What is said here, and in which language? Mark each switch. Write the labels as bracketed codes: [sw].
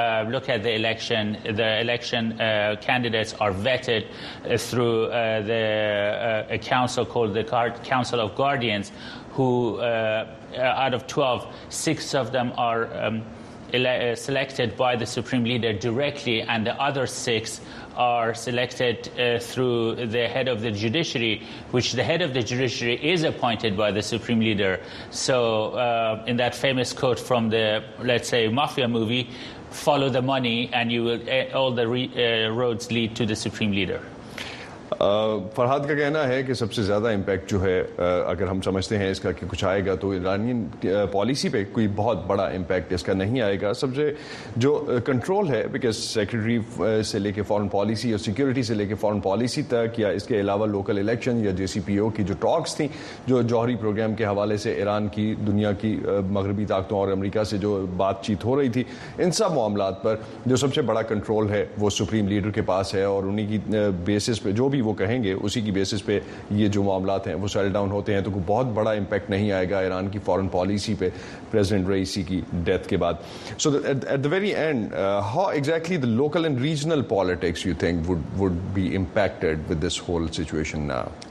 [en] Look at the election. The election candidates are vetted through a council called the Council of Guardians, who out of 12, six of them are selected by the supreme leader directly, and the other six are selected through the head of the judiciary, which the head of the judiciary is appointed by the supreme leader. So in that famous quote from the, let's say, mafia movie, follow the money and you will all the roads lead to the supreme leader. [ur] Farhad کا کہنا ہے کہ سب سے زیادہ impact جو ہے اگر ہم سمجھتے ہیں اس کا کہ کچھ آئے گا تو ایرانین پالیسی پہ کوئی بہت بڑا امپیکٹ اس کا نہیں آئے گا. سب سے جو کنٹرول ہے, بیکاز سیکرٹری سے لے کے فارن پالیسی اور سیکیورٹی سے لے کے فارن پالیسی تک, یا اس کے علاوہ لوکل الیکشن یا جے سی پی او کی جو ٹاکس تھیں جو جوہری پروگرام کے حوالے سے ایران کی دنیا کی مغربی طاقتوں اور امریکہ سے جو بات چیت ہو رہی تھی, ان سب معاملات پر جو سب سے بڑا کنٹرول ہے وہ سپریم لیڈر کے پاس ہے, اور انہیں کی بیسس پہ جو بھی وہ کہیں گے اسی کی بیسس پہ یہ جو معاملات ہیں وہ سیٹل ڈاؤن ہوتے ہیں. تو کوئی بہت بڑا امپیکٹ نہیں آئے گا ایران کی فارن پالیسی پہ پریزیڈنٹ رئیسی کی ڈیتھ کے بعد. [en] So at the very end, how exactly the local and regional politics you think would be impacted with this whole situation now?